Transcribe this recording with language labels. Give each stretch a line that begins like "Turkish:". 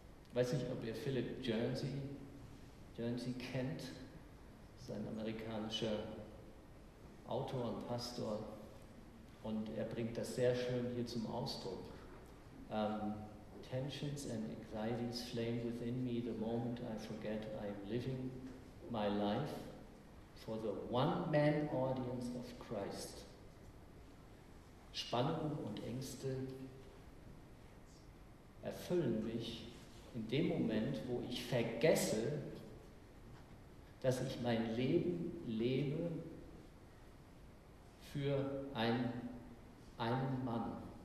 German: Ich weiß nicht, ob ihr Philip Jersey kennt. Das ist ein amerikanischer Autor und Pastor. Und er bringt das sehr schön hier zum Ausdruck.
English: Tensions and anxieties flame within me the moment I forget I am living my life for the one-man audience of Christ.
German: Spannungen und Ängste erfüllen mich in dem Moment, wo ich vergesse, dass ich mein Leben lebe für einen Mann.